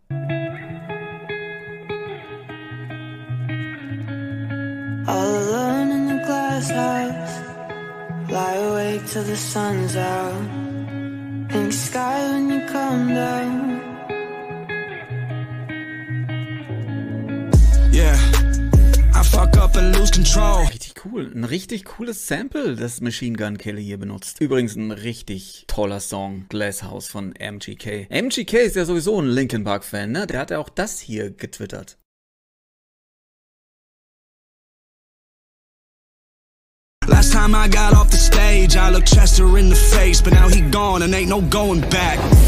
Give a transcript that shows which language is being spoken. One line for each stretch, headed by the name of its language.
English: All alone in the glass house, lie awake till the sun's out. Pink sky when you come down. Yeah, I fuck up and lose control.
German: Richtig cool, ein richtig cooles Sample, das Machine Gun Kelly hier benutzt. Übrigens ein richtig toller Song, Glass House von MGK. MGK ist ja sowieso ein Linkin Park Fan, ne? Der hat ja auch das hier getwittert.
English: Last time I got off the stage, I looked Chester in the face, but now he gone and ain't no going back.